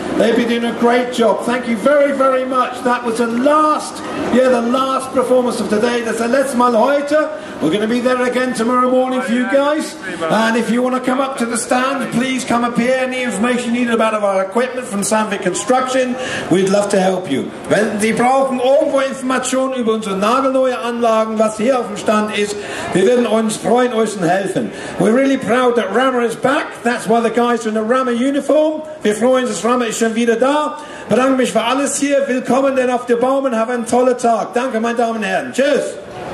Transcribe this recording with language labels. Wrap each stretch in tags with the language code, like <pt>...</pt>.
<en>They've been doing a great job. Thank you very, very much. That was the last performance of today.</en> <de>Das ist der letzte Mal heute.</de> <en>We're going to be there again tomorrow morning for you guys. And if you want to come up to the stand, please come up here. Any information you need about our equipment from Sandvik Construction, we'd love to help you.</en> <de>Wenn Sie brauchen irgendwo Informationen über unsere nagelneue Anlagen, was hier auf dem Stand ist, wir würden uns freuen, euch zu helfen.</de> <en>We're really proud that Rama is back. That's why the guys are in a Rama uniform.</en> <de>Wir freuen uns, dass Rama ist schon wieder da. Bedanke mich für alles hier. Willkommen denn auf der BAUMA und have einen tollen Tag. Danke, meine Damen und Herren. Tschüss.</de>